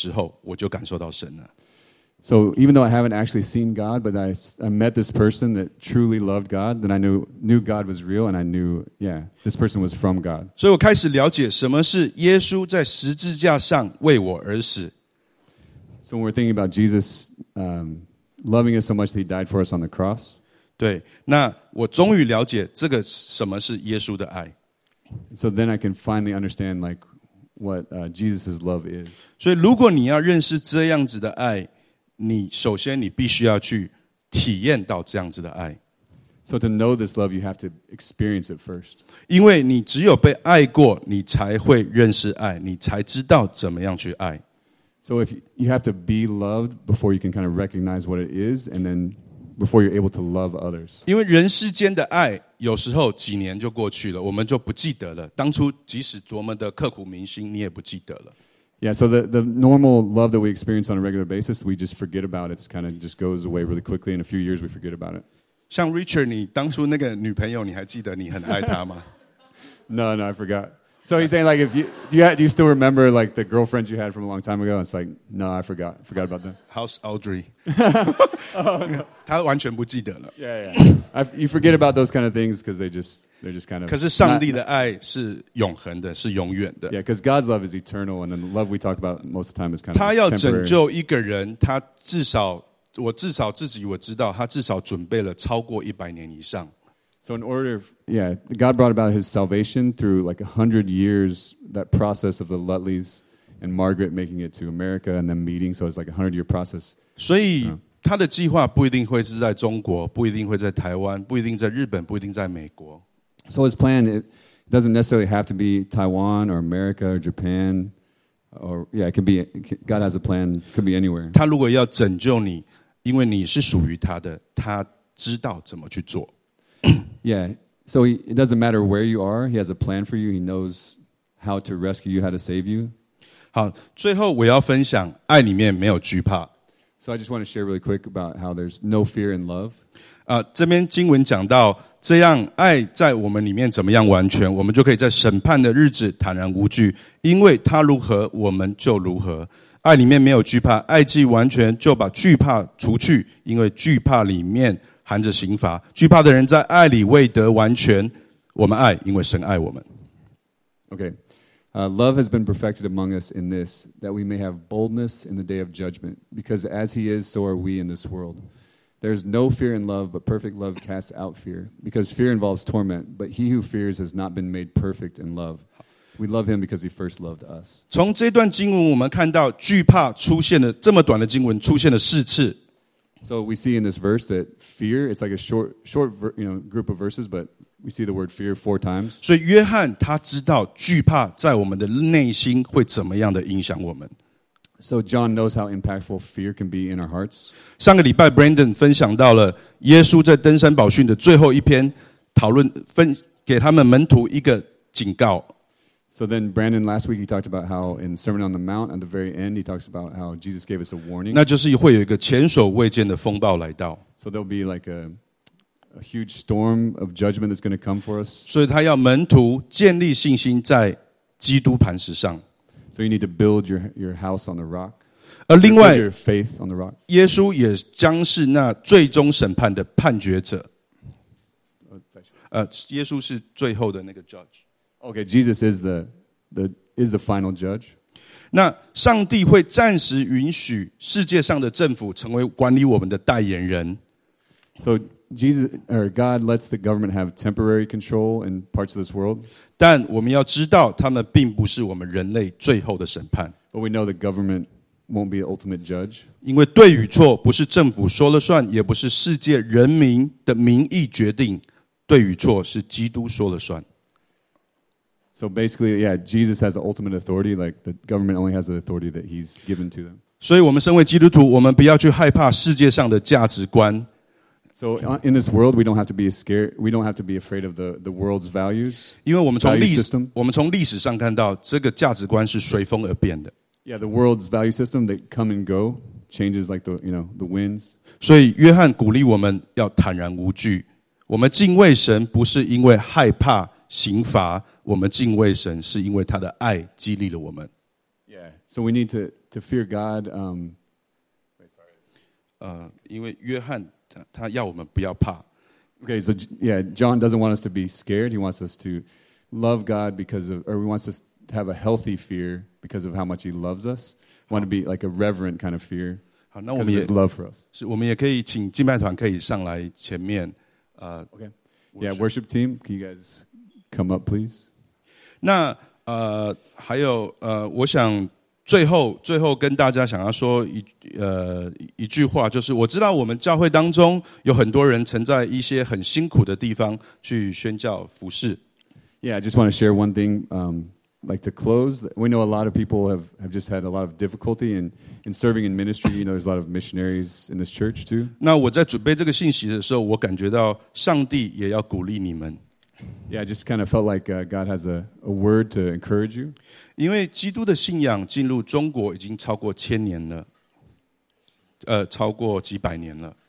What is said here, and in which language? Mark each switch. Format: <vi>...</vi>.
<zh>虽然我没有亲眼自己看过神，但是因为我当初认识有这样子爱的人，那当他们爱我的时候，我就感受到神了。</zh> <en>So even though I haven't actually seen God, but I met this person that truly loved God, then I knew God was real, and I knew, yeah, this person was from God.</en> <zh>所以我开始了解什么是耶稣在十字架上为我而死。</zh> <en>So when we're thinking about Jesus loving us so much that he died for us on the cross,</en> <zh>对，那我终于了解这个什么是耶稣的爱。</zh> <en>So then I can finally understand like what Jesus' love is.</en> <zh>所以如果你要认识这样子的爱，你首先你必须要去体验到这样子的爱。</zh> <en>So to know this love, you have to experience it first.</en> <zh>因为你只有被爱过，你才会认识爱，你才知道怎么样去爱。</zh> <en>So if you have to be loved before you can kind of recognize what it is, and then before you're able to love others.</en> <zh>因为人世间的爱有时候几年就过去了，我们就不记得了。当初即使多么的刻苦铭心，你也不记得了。</zh> <en>Yeah, so the normal love that we experience on a regular basis, we just forget about it. It kind of just goes away really quickly. In a few years, we forget about it.</en> <zh>像 Richard, 你当初那个女朋友，你还记得你很爱她吗？</zh> <en>No, I forgot. So he's saying like, do you still remember like the girlfriend you had from a long time ago? It's like, no, I forgot. Forgot about that. How's Audrey? Oh, no.</en> <zh>她完全不记得了。</zh> <en>Yeah. You forget about those kind of things because they're just kind of...</en> <zh>可是上帝的爱是永恒的，是永远的。</zh> <en>Yeah, because God's love is eternal, and the love we talk about most of the time is kind of temporary.</en> <zh>他要拯救一个人，他至少，我至少自己我知道，他至少准备了超过100年以上。</zh> <en>So in order, God brought about his salvation through like 100 years, that process of the Lutleys and Margaret making it to America and then meeting, so it's like a 100-year process.</en> <zh>所以他的计划不一定会是在中国，不一定会在台湾，不一定在日本，不一定在美国。</zh> <en>So his plan, it doesn't necessarily have to be Taiwan or America or Japan, or yeah, it could be, God has a plan, it could be anywhere.</en> <zh>他如果要拯救你，因为你是属于他的，他知道怎么去做。</zh> <en>Yeah, so it doesn't matter where you are, he has a plan for you, he knows how to rescue you, how to save you.</en> <zh>好，最后我要分享，爱里面没有惧怕。</zh> <en>So I just want to share really quick about how there's no fear in love.</en> <zh>这边经文讲到，这样爱在我们里面怎么样完全，我们就可以在审判的日子坦然无惧，因为他如何，我们就如何。爱里面没有惧怕，爱既完全，就把惧怕除去，因为惧怕里面含着刑罚，惧怕的人在爱里未得完全。我们爱，因为神爱我们。</zh> <en>Okay, love has been perfected among us in this, that we may have boldness in the day of judgment. Because as he is, so are we in this world. There is no fear in love, but perfect love casts out fear. Because fear involves torment, but he who fears has not been made perfect in love. We love him because he first loved us.</en> <zh>从这段经文，我们看到惧怕出现了这么短的经文出现了四次。</zh> <en>So we see in this verse that fear, it's like a short group of verses, but we see the word fear four times.</en> <zh>所以约翰他知道惧怕在我们的内心会怎么样的影响我们。</zh> <en>So John knows how impactful fear can be in our hearts.</en> <zh>上个礼拜 Brandon 分享到了耶稣在登山宝训的最后一篇讨论，分给他们门徒一个警告。</zh> <en>So then Brandon, last week he talked about how in Sermon on the Mount, at the very end, he talks about how Jesus gave us a warning.</en> <zh>那就是会有一个前所未见的风暴来到。</zh> <en>So there'll be like a huge storm of judgment that's going to come for us.</en> <zh>所以他要门徒建立信心在基督磐石上。</zh> <en>So you need to build your house on the rock.</en> <zh>而另外</zh> <en>your faith on the rock.</en> <zh>耶稣也将是那最终审判的判决者。耶稣是最后的那个 judge。</zh> <en>Okay, Jesus is the final judge.</en> <zh>那上帝会暂时允许世界上的政府成为管理我们的代言人。</zh> <en>So Jesus or God lets the government have temporary control in parts of this world.</en> <zh>但我们要知道，他们并不是我们人类最后的审判。</zh> <en>But we know the government won't be the ultimate judge.</en> <zh>因为对与错不是政府说了算，也不是世界人民的民意决定。对与错是基督说了算。</zh> <en>So basically, yeah, Jesus has the ultimate authority, like the government only has the authority that he's given to them.</en> <zh>所以我们身为基督徒，我们不要去害怕世界上的价值观。</zh> <en>So in this world, we don't have to be scared, we don't have to be afraid of the world's values.</en> <zh>因为我们从历史上看到这个价值观是随风而变的。</zh> <en>Yeah, the world's value system, they come and go, changes like the winds.</en> <zh>所以约翰鼓励我们要坦然无惧。我们敬畏神不是因为害怕刑罚，我们敬畏神是因为他的爱激励了我们。</zh> <en>Yeah, so we need to fear God.</en> <zh>因为约翰他要我们不要怕。</zh> <en>Okay, so yeah, John doesn't want us to be scared. He wants us to love God he wants us to have a healthy fear because of how much he loves us. We want to be like a reverent kind of fear.</en> <zh>好，那我们也</zh> <en>love for us.</en> <zh>是，我们也可以请敬拜团可以上来前面。</zh> <en>Okay. Yeah, worship team, can you guys come up, please?</en> <zh>那还有我想最后跟大家想要说一句话，就是我知道我们教会当中有很多人曾在一些很辛苦的地方去宣教服事。</zh> <en>Yeah, I just want to share one thing. like to close, we know a lot of people have just had a lot of difficulty in serving in ministry. You know, there's a lot of missionaries in this church too.</en> <zh>那我在准备这个信息的时候，我感觉到上帝也要鼓励你们。</zh> <en>Yeah, I just kind of felt like God has a word to encourage you.</en> <zh>因为基督的信仰进入中国已经超过千年了，超过几百年了。</zh>